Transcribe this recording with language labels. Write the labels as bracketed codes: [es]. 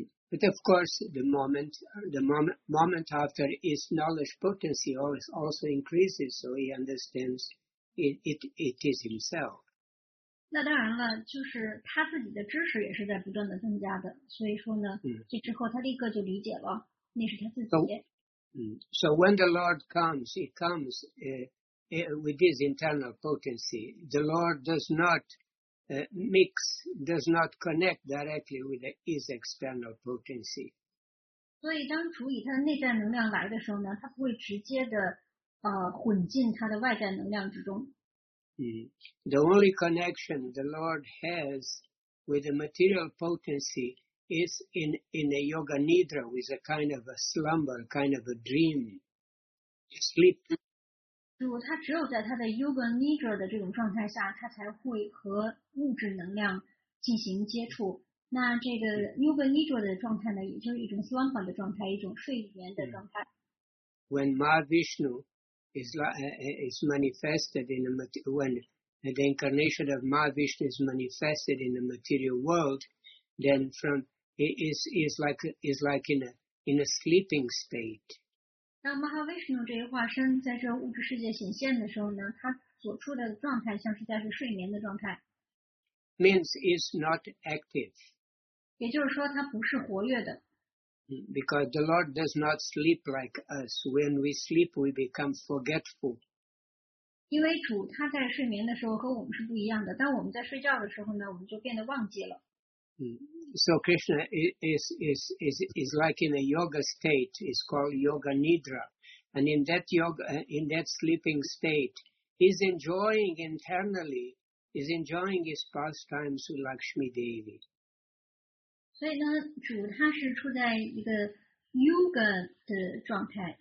[en] But of course, the moment after his knowledge potency also increases, so he understands it is himself. [zh] 那当然了，就是他自己的知识也是在不断的增加的，所以说呢，这之后他立刻就理解了，那是他自己。 [en] So when the Lord comes, he comes with his internal potency. The Lord does not mix, does not connect directly with his external potency. [zh] 所以当主以他的内在能量来的时候呢，他不会直接的混进他的外在能量之中。 [en] The only connection the Lord has with the material potency is in a yoga nidra, with a kind of a slumber, kind of a dream, sleep. [zh] 他只有在他的 yoga nidra 的这种状态下，他才会和物质能量进行接触。那这个 yoga nidra 的状态呢，也就是一种 slumber 的状态，一种睡眠的状态。 [en] When Mahavishnu is manifested in a when and the incarnation of Mahavishnu is manifested in the material world, then from is like in a sleeping state. [zh] 当 Mahavishnu 这一化身在这物质世界显现的时候呢，他所处的状态像是在是睡眠的状态。 [en] Means is not active. [zh] 也就是说，他不是活跃的。 [en] Because the Lord does not sleep like us. When we sleep, we become forgetful. [zh] 因为主他在睡眠的时候和我们是不一样的。当我们在睡觉的时候呢，我们就变得忘记了。 [en] So Krishna is like in a yoga state. It's called yoga nidra, and in that yoga, in that sleeping state, he's enjoying internally, he's enjoying his pastimes with Lakshmi Devi. [zh] 所以呢，主他是处在一个 yoga 的状态，